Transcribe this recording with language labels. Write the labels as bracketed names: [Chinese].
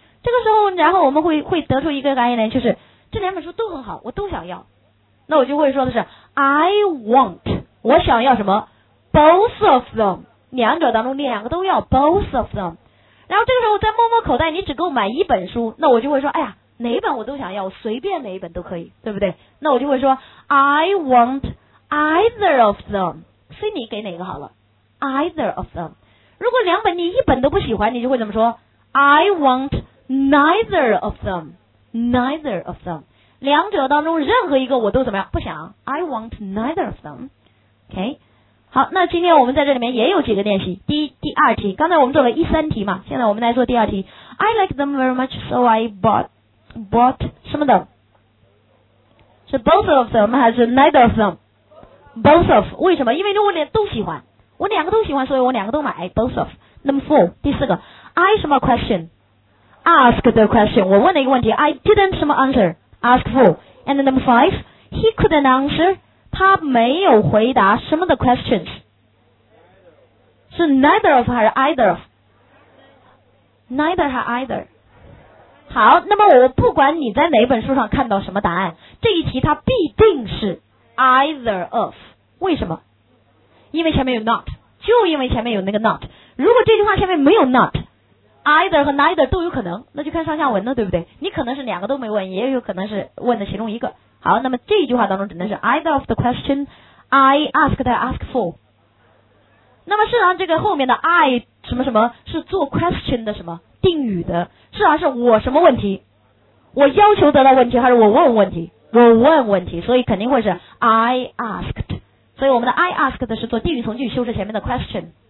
[Chinese] 这个时候然后我们会得出一个概念，就是这两本书都很好，我都想要。那我就会说的是 [English] I want， [Chinese] 我想要什么， both of them， 两者当中两个都要， both of them。然后这个时候再摸摸口袋，你只够买一本书，那我就会说哎呀哪一本我都想要，我随便哪一本都可以，对不对。那我就会说 [English] I want either of them， [Chinese] 所以你给哪个好了， either of them。如果两本你一本都不喜欢，你就会怎么说， [English] I want neither of them， [Chinese] neither of them， 两者当中任何一个我都怎么样，不想， I want neither of them。 OK， 好，那今天我们在这里面也有几个练习。第二题，刚才我们做了一三题嘛，现在我们来做第二题。 [English] I like them very much so I bought [Chinese] 什么的，是 [English] both of them [Chinese] 还是 [English] neither of them？ both of， 为什么？ [Chinese] 因为我两个都喜欢，我两个都喜欢，所以我两个都买 both of。 [English] number four， [Chinese] 第四个 [English] I 什么 question， ask the question， [Chinese] 我问了一个问题， [English] I didn't 什么 answer， ask for。 and number five， he couldn't answer， [Chinese] 他没有回答什么的 [English] questions， [Chinese] 是 [English] neither of [Chinese] 还是 [English] either of？ neither [Chinese] 还 [English] either。 [Chinese] 好，那么我不管你在哪本书上看到什么答案，这一题它必定是 either of。为什么？因为前面有 not， 就因为前面有那个 not。如果这句话前面没有 not， either 和 neither 都有可能，那就看上下文了，对不对？你可能是两个都没问，也有可能是问的其中一个。好，那么这一句话当中只能是 [English] either of the question I asked I asked for。 [Chinese] 那么事实上这个后面的 I 什么什么是做 question 的什么定语的，是还是我什么问题，我要求得到问题，还是我问问题，我问问题，所以肯定会是 [English] I asked。 [Chinese] 所以我们的 [English] I asked [Chinese] 是做定语从句修饰前面的 question。